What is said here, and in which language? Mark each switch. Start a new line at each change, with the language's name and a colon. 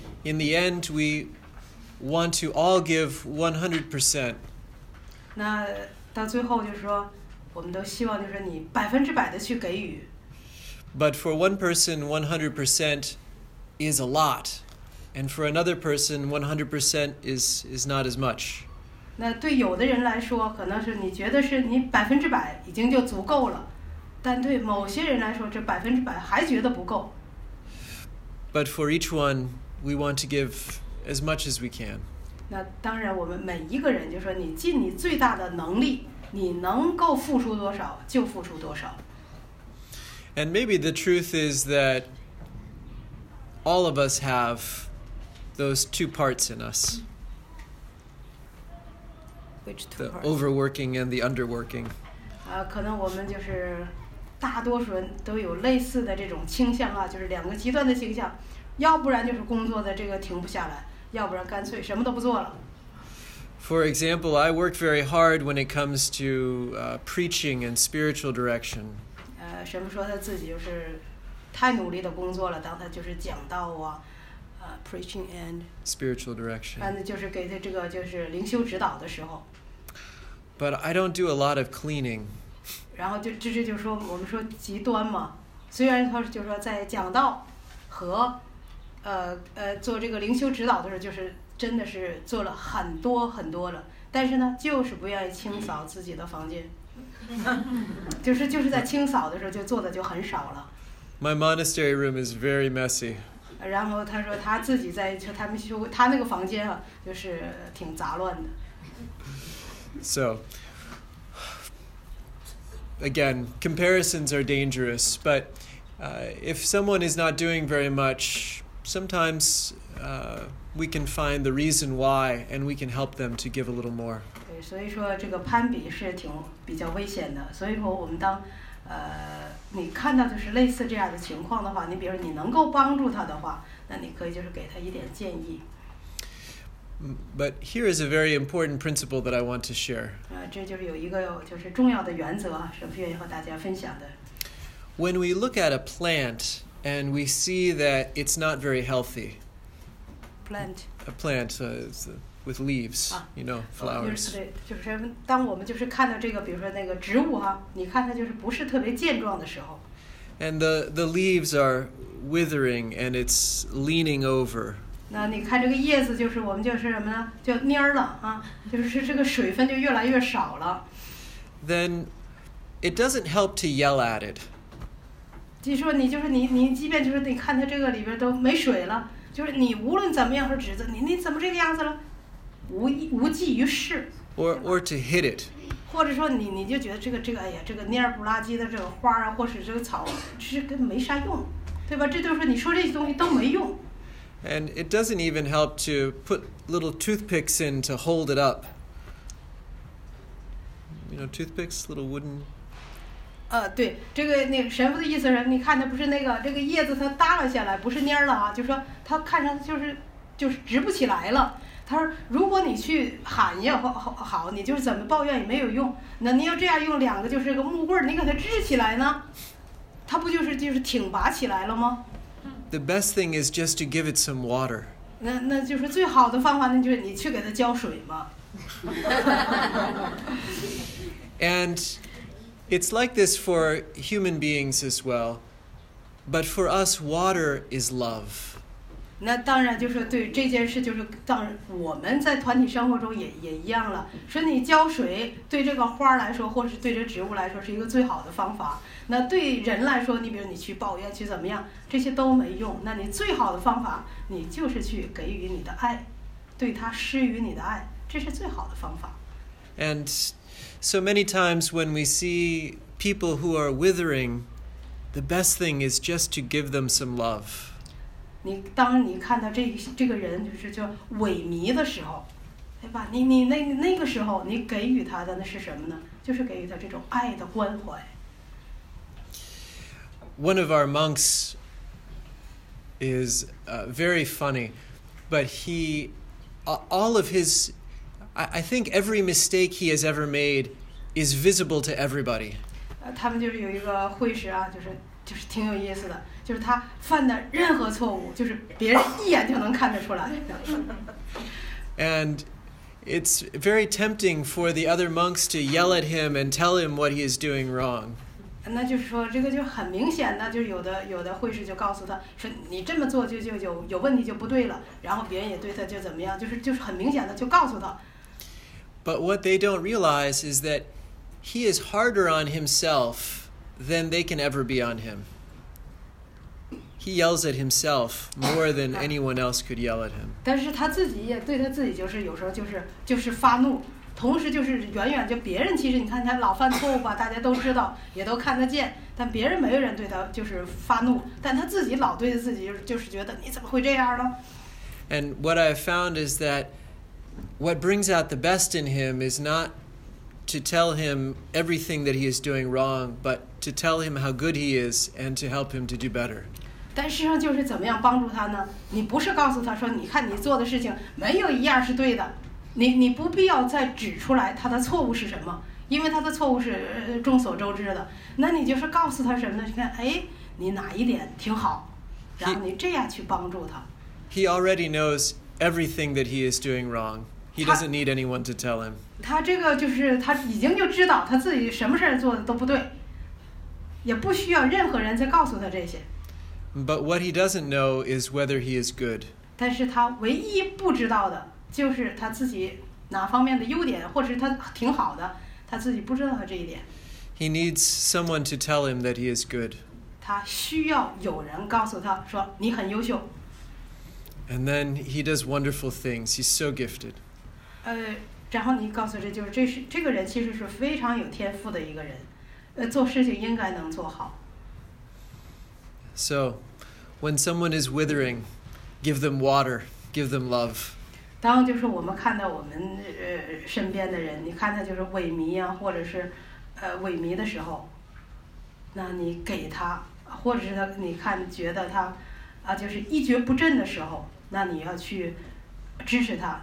English: In the end, we want to all give 100%.
Chinese: 那到最后就是说我们都希望就是你百分之百的去给予。
English: But for one person, 100% is a lot. And for another person, 100% is not as much.
Chinese: 那对有的人来说，可能是你觉得是你百分之百已经就足够了。但对某些人来说，这百分之百还觉得不够。
English: But for each one, we want to give as much as we can.
Chinese: 那当然我们每一个人就说你尽你最大的能力，你能够付出多少就付出多少。
English: And maybe the truth is that all of us have those two parts in us. Which two the parts? The overworking and the underworking.
Chinese: 可能我们就是大多数人都有类似的这种倾向啊，就是两个极端的倾向，要不然就是工作的这个停不下来，要不然干脆什么都不做了。
English: For example, I work very hard when it comes to preaching and spiritual direction.
Chinese: 神父说他自己就是太努力的工作了，当他就是讲道啊，
English: preaching and spiritual direction，
Chinese: 那就是给他这个就是灵修指导的时候。
English: But I don't do a lot of cleaning。
Chinese: 然后就这就说我们说极端嘛，虽然他就是说在讲道和做这个灵修指导的时候，就是真的是做了很多很多了，但是呢，就是不愿意清扫自己的房间。就是在清扫的时候就做的就很少了。
English: My monastery room is very messy.
Chinese: 然后他说他自己在就他们修他那个房间啊，就是挺杂乱的。
English: So, again, comparisons are dangerous. But if someone is not doing very much, sometimes we can find the reason why, and we can help them to give a little more.
Chinese: 对，所以说这个攀比是挺比较危险的。所以说我们当你看到就是类似这样的情况的话，你比如说你能够帮助他的话，那你可以就是给他一点建议。
English: But here is a very important principle that I want to share.
Chinese: 这就是有一个就是重要的原则，神父愿意和大家分享的。
English: When we look at a plant and we see that it's not very healthy. A plant with leaves, you know, flowers.
Chinese: 就是当我们就是看到这个，比如说那个植物啊，你看它就是不是特别健壮的时候。
English: And the leaves are withering and it's leaning over.
Chinese: 那你看这个叶子，就是我们就是什么呢？就蔫了啊，就是这个水分就越来越少了。
English: Then it doesn't help to yell at it.
Chinese: 你说你就是你，即便就是你看它这个里边都没水了。就是你无论怎么样说指责你怎么这个样子了，无济于事。
English: Or to hit it。
Chinese: 或者说你就觉得这个哎呀这个蔫不拉几的这个花啊，或是这个草，其实跟没啥用，对吧？这都是你说这些东西都没用。
English: And it doesn't even help to put little toothpicks in to hold it up. You know, toothpicks, little wooden.
Chinese: 对，这个那个神父的意思是，你看它不是那个这个叶子它耷拉下来，不是蔫了啊，就是说它看上去就是直不起来了，他说如果你去喊也好你就是怎么抱怨也没有用，那你要这样用两个就是个木棍你给它支起来呢，它不就是挺拔起来了吗？
English: The best thing is just to give it some water.
Chinese: 那就是最好的方法，那就是你去给它浇水嘛。
English: And it's like this for human beings as well. But for us, water is love.
Chinese: 那当然就是对这件事就是当我们在团体生活中也一样了。说你浇水对这个花来说或是对这植物来说是一个最好的方法。那对人来说你比如你去抱怨去怎么样这些都没用，那你最好的方法你就是去给予你的爱，对他施予你的爱，这是最好的方法。
English: And so many times when we see people who are withering, the best thing is just to give them some love.
Chinese: 你当你看到这个人就是叫萎靡的时候，对吧，你那个时候你给予他的那是什么呢，就是给予他这种爱的关怀。
English: One of our monks is very funny, but he, all of his, I think every mistake he has ever made is visible to everybody.
Chinese: 他们就是有一个会师啊，就是挺有意思的，就是他犯的任何错误，就是别人一眼就能看得出来。
English: And it's very tempting for the other monks to yell at him and tell him what he is doing wrong.
Chinese: 那就是说这个就很明显的就是有的会师就告诉他说你这么做就有问题就不对了，然后别人也对他就怎么样，就是很明显的就告诉他。
English: But what they don't realize is that he is harder on himself than they can ever be on him. He yells at himself more than anyone else could yell at him.
Chinese: 但是他自己也对他自己就是有时候就是发怒，同时就是远远就别人其实你看他老犯错误吧，大家都知道也都看得见，但别人没有人对他就是发怒，但他自己老对自己就是觉得你怎么会这样呢。
English: And what I have found is that what brings out the best in him is not to tell him everything that he is doing wrong, but to tell him how good he is and to help him to do better.
Chinese: 但实际上就是怎么样帮助他呢，你不是告诉他说你看你做的事情没有一样是对的，你不必要再指出来他的错误是什么，因为他的错误是众所周知的。那你就是告诉他什么呢？你看，哎，你哪一点挺好，然后你这样去帮助他。
English: He already knows everything that he is doing wrong. He doesn't need anyone to tell him.
Chinese: 他这个就是他已经就知道他自己什么事做的都不对，也不需要任何人再告诉他这些。
English: But what he doesn't know is whether he is good.
Chinese: 但是他唯一不知道的。就是他自己哪方面的优点，或者是他挺好的，他自己不知道他这一点。
English: He needs someone to tell him that he is good.
Chinese: 他需要有人告诉他说你很优秀。
English: And then he does wonderful things. He's so gifted.
Chinese: 然后你告诉他就是这个人其实是非常有天赋的一个人，做事情应该能做好。
English: So, when someone is withering, give them water. Give them love.
Chinese: 当就是我们看到我们身边的人，你看他就是萎靡啊，或者是萎靡的时候，那你给他，或者是他你看觉得他啊就是一蹶不振的时候，那你要去支持他。